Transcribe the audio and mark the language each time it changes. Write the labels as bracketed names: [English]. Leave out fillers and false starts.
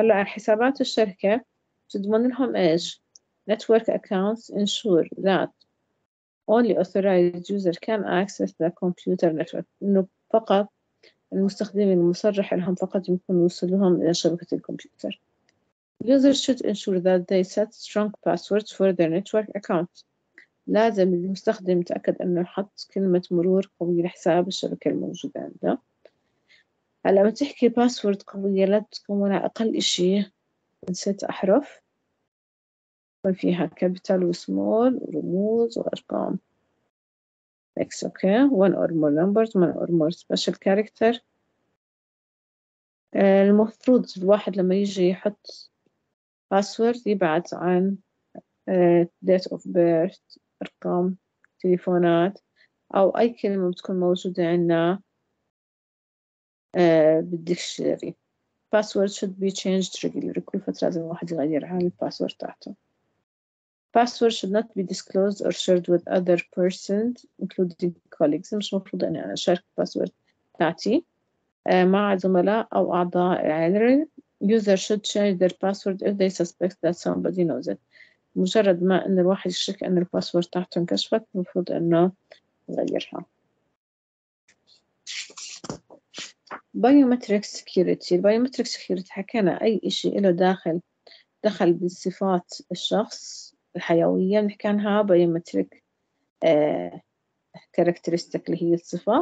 [Arabic] هلا حسابات الشركة تضمن لهم إيش؟ [English] Network accounts ensure that only authorized user can access the computer network، [Arabic] إنه فقط المستخدمين المصرح لهم فقط يمكن يوصلهم إلى شبكة الكمبيوتر. [English] Users should ensure that they set strong passwords for their network account. [Arabic] لازم المستخدم يتأكد أنه يحط كلمة مرور قوية لحساب الشبكة الموجودة عنده. هلا لما تحكي باسورد قوية لازم تكون على أقل إشي من 6 أحرف يكون فيها كابيتال وسمول ورموز وأرقام. [English] Next, okay. One or more numbers, one or more special character. [Arabic] المفروض الواحد لما يجي يحط باسورد يبعث عن [English] date of birth, [Arabic] أرقام تليفونات أو أي كلمة بتكون موجودة عندنا بالدكشنري. [English] Password should be changed regularly. [Arabic] كل فترة لازم الواحد يغير عن الباسورد تاعته. [English] Password should not be disclosed or shared with other persons including colleagues. [Arabic] مش مفروض أني أنا أشارك الباسورد تاعتي مع زملاء أو أعضاء العائلة. [English] User should change their password if they suspect that somebody knows it. [Arabic] مجرد ما أن الواحد يشك أن الباسورد تاعته انكشفت مفروض أنه يغيرها. [English] Biometric security. [Arabic] Biometric security حكينا أي إشي إله دخل بالصفات الشخص الحيوية نحكي عنها biometric characteristic اللي هي الصفة.